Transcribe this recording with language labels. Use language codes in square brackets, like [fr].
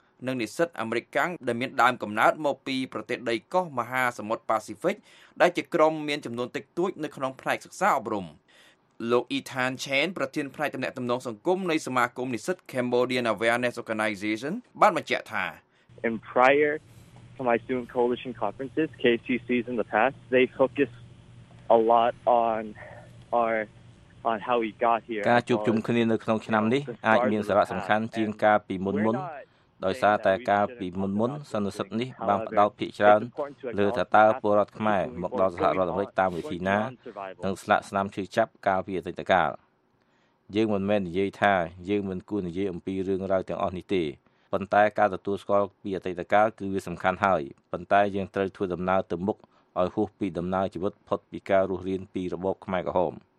[km] និងនិស្សិតអាមេរិកដែលមានដើមកំណើតមកពីប្រទេសដីកោះមហាសមុទ្រប៉ាស៊ីហ្វិកដែលជាក្រុមមានចំនួនតិចតួចនៅក្នុងផ្នែកសិក្សាអប់រំលោក Ethan Chen ប្រធានផ្នែកតំណែងតំណងសង្គមនៃសមាគមនិស្សិត Cambodian Awareness Organization បានបញ្ជាក់ថា [en] In prior to my student coalition conferences KCCs in the past they focus a lot on our on how we got here [km] ការជួបជុំគ្នានៅក្នុងឆ្នាំនេះអាចមានសារៈសំខាន់ជាងកាលពីមុនៗដោយសារតែការពីមុនៗសន្និសីទនេះបានផ្ដោតភាគច្រើនលើថាតើពលរដ្ឋខ្មែរមកដល់សហរដ្ឋអាមេរិកតាមវិធីណានិងស្លាកស្នាមឈឺចាប់កាលពីអតីតកាលយើងមិនមែននិយាយថាយើងមិនគួរនិយាយអំពីរឿងរ៉ាវទាំងអស់នេះទេប៉ុន្តែការទទួលស្គាល់ពីអតីតកាលគឺវាសំខាន់ហើយប៉ុន្តែយើងត្រូវធ្វើដំណើរទៅមុខឲ្យហួសពីដំណើរជីវិតផុតពីការរស់រានពីរបបខ្មែរក្រហម